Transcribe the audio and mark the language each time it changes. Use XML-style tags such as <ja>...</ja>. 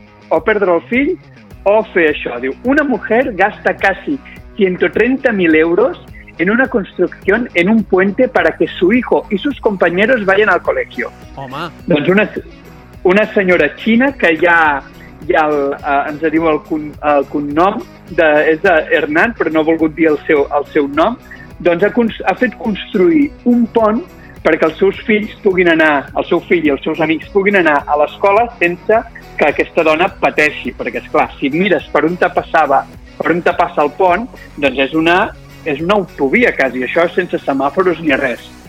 <ca>O perdre el fill, o fer això.</ca> <es>Diu, una mujer gasta casi 130.000 euros en una construcción en un puente para que su hijo y sus compañeros vayan al colegio.</es> <ca>Home. Doncs una senyora xina que ens diu el cognom, és de Hernán, però no ha volgut dir el seu nom, doncs ha fet construir un pont perquè el seu fill i els seus amics puguin anar a l'escola sense que aquesta dona pateixi, perquè és clar, si mires per on te passa el pont, doncs és una autovia quasi, això sense semàforos ni res.</ca>